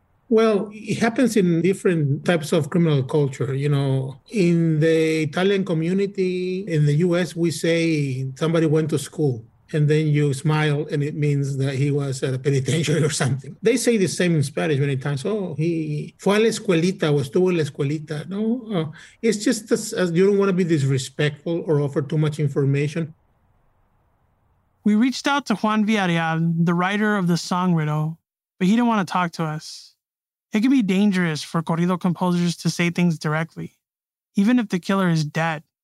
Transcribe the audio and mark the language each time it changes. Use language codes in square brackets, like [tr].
[en] Well, it happens in different types of criminal culture. You know, in the Italian community, in the U.S., we say somebody went to school, and then you smile, and it means that he was at a penitentiary or something. They say the same in Spanish many times. Oh, he [es] fue a la escuelita, o estuvo en la escuelita. [en] No, it's just as you don't want to be disrespectful or offer too much information. We reached out to Juan Villarreal, the writer of the song Riddle, but he didn't want to talk to us. It can be dangerous for corrido composers to say things directly, even if the killer is dead.